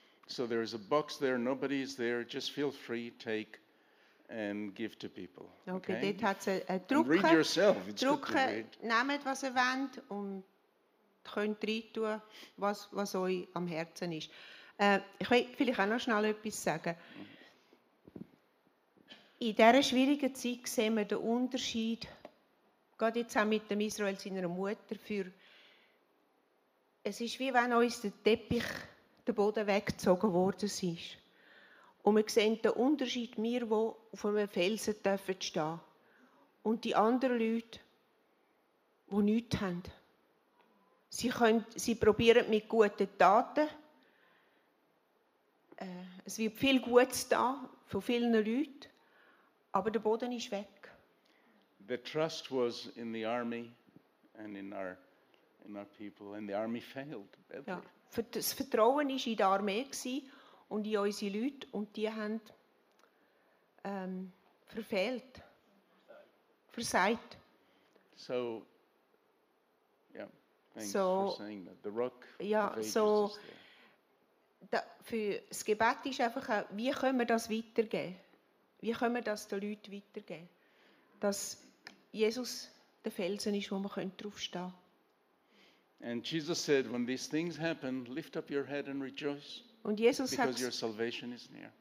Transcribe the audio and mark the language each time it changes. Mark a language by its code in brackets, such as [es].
[en] So there is a box there, nobody is there, just feel free, take and give to people. [de] Okay, dort hat's a Drucker. [en] Read yourself, it's [de] Drucker, [en] good to read. [de] Nehmt, was ihr wollt und könnt reintun, was euch am Herzen ist. Ich will vielleicht auch noch schnell etwas sagen. In dieser schwierigen Zeit sehen wir den Unterschied, gerade jetzt auch mit dem Israel, seiner Mutter, für es ist wie wenn uns der Teppich den Boden weggezogen worden ist. Und wir sehen den Unterschied, wir, die auf einem Felsen stehen dürfen. Und die anderen Leute, die nichts haben. Sie probieren mit guten Taten. Es wird viel Gutes da von vielen Leuten. Aber der Boden ist weg. [en] The trust was in the army and in our people, and the army failed. [de] Ja, das Vertrauen war in der Armee und in unsere Leute, und die haben verfehlt. Versagt. [en] So, yeah, thanks so, for saying that. The rock, [de] ja, [en] of ages so, is there. [de] Da, für das Gebet ist einfach, wie können wir das weitergeben? Wie können wir das den Leuten weitergeben? Dass Jesus der Felsen ist, wo wir draufstehen können. [en] And Jesus said, when these things happen, lift up your head and rejoice. [de] Und Jesus [en] because your salvation is near.